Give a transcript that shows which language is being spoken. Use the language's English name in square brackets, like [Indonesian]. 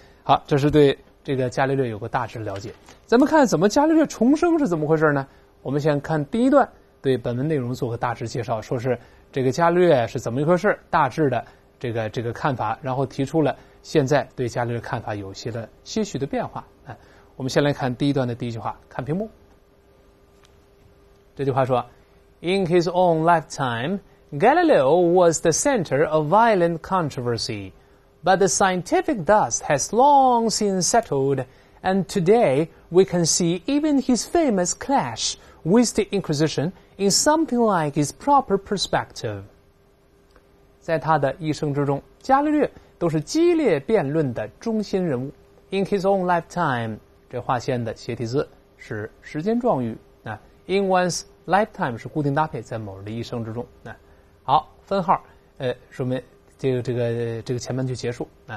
[Chinese] 好，这是对这个伽利略有个大致的了解。咱们看怎么伽利略重生是怎么回事呢？我们先看第一段，对本文内容做个大致介绍，说是这个伽利略是怎么一回事，大致的这个看法，然后提出了现在对伽利略看法有些的些许的变化。我们先来看第一段的第一句话，看屏幕。这句话说 [English] In his own lifetime, Galileo was the center of violent controversy, but the scientific dust has long since settled, and today we can see even his famous clash with the Inquisition in something like his proper perspective. [Chinese] 在他的一生之中，伽利略都是激烈辩论的中心人物。 [English] In his own lifetime, [Chinese] 这划线的斜体字是时间状语。 [English] In one's lifetime [Chinese] 是固定搭配，在某人的一生之中。好，分号，说明这个前半句结束。